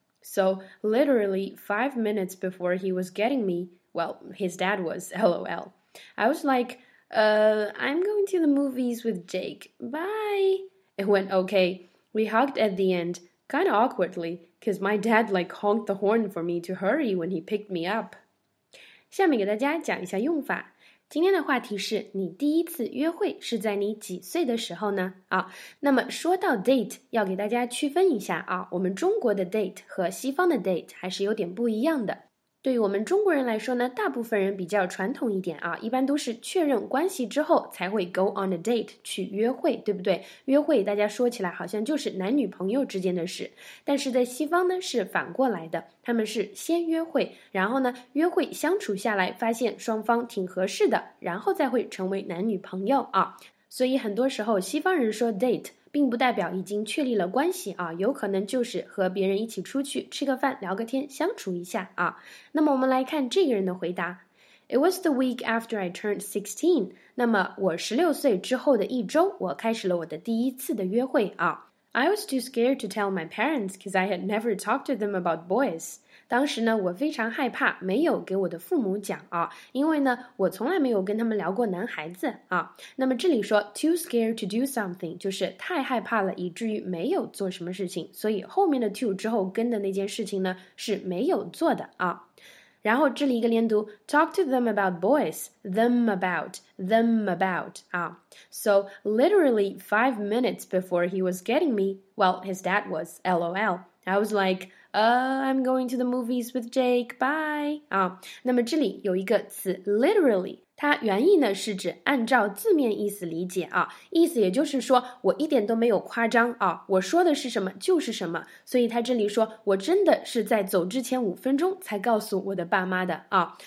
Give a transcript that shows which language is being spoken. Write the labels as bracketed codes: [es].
[en] So, literally 5 minutes before he was getting me, well, his dad was, lol. I was like, I'm going to the movies with Jake, bye. It went okay. We hugged at the end, kind of awkwardly, because my dad like honked the horn for me to hurry when he picked me up. [zh] 下面给大家讲一下用法。今天的话题是你第一次约会是在你几岁的时候呢？啊，那么说到 date， 要给大家区分一下啊，我们中国的 date 和西方的 date 还是有点不一样的。对于我们中国人来说呢，大部分人比较传统一点啊，一般都是确认关系之后才会 go on a date 去约会，对不对？约会大家说起来好像就是男女朋友之间的事，但是在西方呢是反过来的，他们是先约会，然后呢约会相处下来发现双方挺合适的，然后再会成为男女朋友啊。所以很多时候西方人说 date并不代表已经确立了关系啊，有可能就是和别人一起出去吃个饭聊个天相处一下啊。那么我们来看这个人的回答。 [en] It was the week after I turned 16. [zh] 那么我16岁之后的一周我开始了我的第一次的约会啊。 [en] I was too scared to tell my parents because I had never talked to them about boys. [zh] 当时呢我非常害怕没有给我的父母讲啊，因为呢我从来没有跟他们聊过男孩子啊。那么这里说 too scared to do something 就是太害怕了以至于没有做什么事情，所以后面的 too 之后跟的那件事情呢是没有做的啊。然后这里一个连读 talk to them about boys, them about, 啊。 [en] So, literally 5 minutes before he was getting me, well, his dad was, lol. I was like, I'm going to the movies with Jake, bye, 啊。 [zh] 那么这里有一个词 literally, 它原意呢是指按照字面意思理解啊。意思也就是说我一点都没有夸张啊，我说的是什么就是什么。所以他这里说我真的是在走之前5分钟才告诉我的爸妈的啊。